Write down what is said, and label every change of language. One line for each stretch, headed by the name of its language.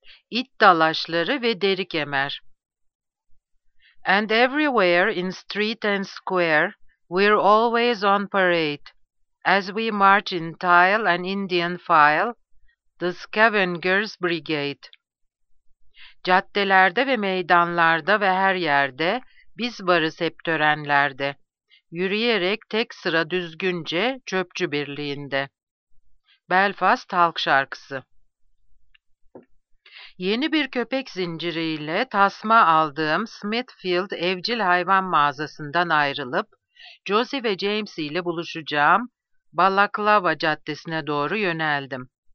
Turkish: İt dalaşları ve deri kemer.
English: And everywhere in street and square, we're always on parade. As we march in tile and Indian file, the Scavengers Brigade.
Turkish: Caddelerde ve meydanlarda ve her yerde, biz varız hep törenlerde. Yürüyerek tek sıra düzgünce çöpçü birliğinde. Belfast Halk Şarkısı. Yeni bir köpek zinciriyle tasma aldığım Smithfield Evcil Hayvan Mağazası'ndan ayrılıp, Josie ve James ile buluşacağım Balaklava Caddesi'ne doğru yöneldim.